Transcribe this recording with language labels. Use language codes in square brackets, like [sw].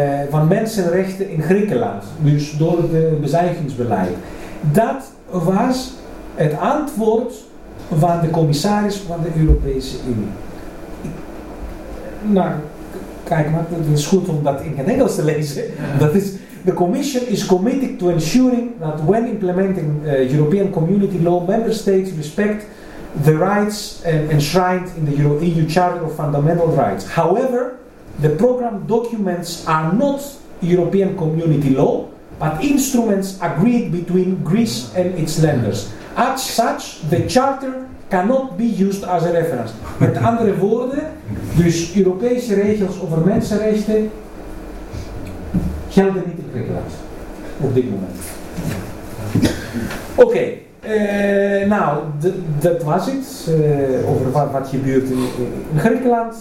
[nl] van mensenrechten in Griekenland, dus door het bezuinigingsbeleid. Dat was het antwoord van de commissaris van de Europese Unie. Nou, kijk maar, het is goed om dat in het Engels te lezen. Dat is: [en] the Commission is committed to ensuring that when implementing European Community Law, member states respect the rights enshrined in the EU Charter of Fundamental Rights. However, the program documents are not European Community Law, but instruments agreed between Greece and its lenders. As such, the Charter cannot be used as a reference. [nl] Met andere woorden, dus Europese regels over mensenrechten gelden niet in Griekenland op dit moment. Oké, nou, dat was het over wat gebeurt in Griekenland.